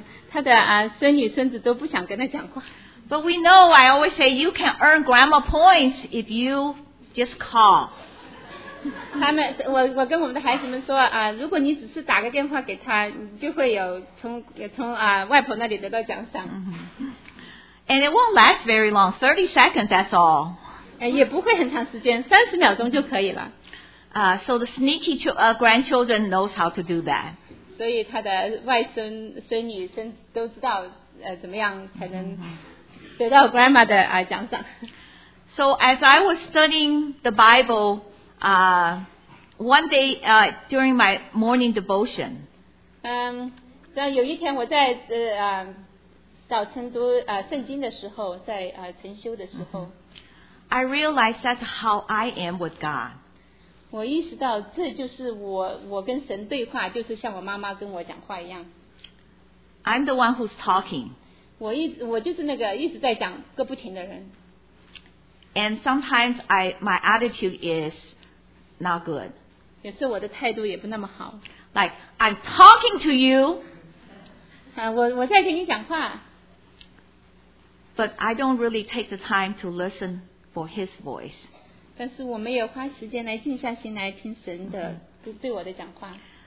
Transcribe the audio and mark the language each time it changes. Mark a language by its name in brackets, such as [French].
[Chinese] 她的孙女孙子都不想跟她讲话。 [English] But we know, I always say, you can earn grandma points if you just call. [Chinese] 我跟我们的孩子们说如果你只是打个电话给她，你就会有从外婆那里得到奖赏。 [English] And it won't last very long, 30 seconds, that's all. [Chinese] 也不会很长时间，30秒钟就可以了。 [English] So the sneaky grandchildren knows how to do that. [Chinese] 所以他的外孙孙女孙都知道怎么样才能得到 grandma 的奖赏。 [English] So as I was studying the Bible, one day during my morning devotion. [Chinese] 有一天我在早晨读圣经的时候，在晨修的时候。 [English] I realized that's how I am with God. [Chinese] 我意识到这就是我跟神对话，就是像我妈妈跟我讲话一样。 [English] I'm the one who's talking. [Chinese] 我就是那个一直在讲个不停的人。 [English] And sometimes my attitude is not good. [Chinese] 也是我的态度也不那么好。 [English] Like, I'm talking to you. [Chinese] 我在跟你讲话。 [English] But I don't really take the time to listen for his voice. [Chinese] 但是我没有花时间来静下心来听神的对我的讲话。